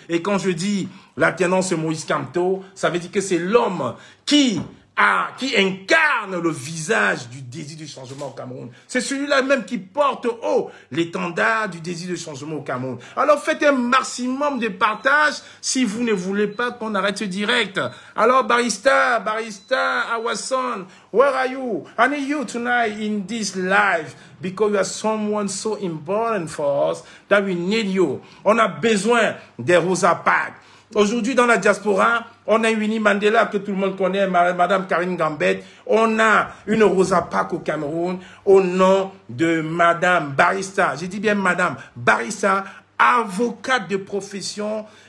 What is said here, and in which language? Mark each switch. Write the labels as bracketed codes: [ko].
[fr] Et quand je dis l'alternance, Maurice Camto, ça veut dire que c'est l'homme qui incarne le visage du désir du changement au Cameroun. C'est celui-là même qui porte haut l'étendard du désir de changement au Cameroun. Alors faites un maximum de partage si vous ne voulez pas qu'on arrête direct. [en] Alors barista Awason, where are you? I need you tonight in this live because you are someone so important for us that we need you. [fr] On a besoin des Rosa Parks. Aujourd'hui dans la diaspora, on a Winnie Mandela que tout le monde connaît, Madame Karine Gambette. On a une Rosa Parks au Cameroun au nom de Madame Barista. J'ai dit bien Madame Barista, avocate de profession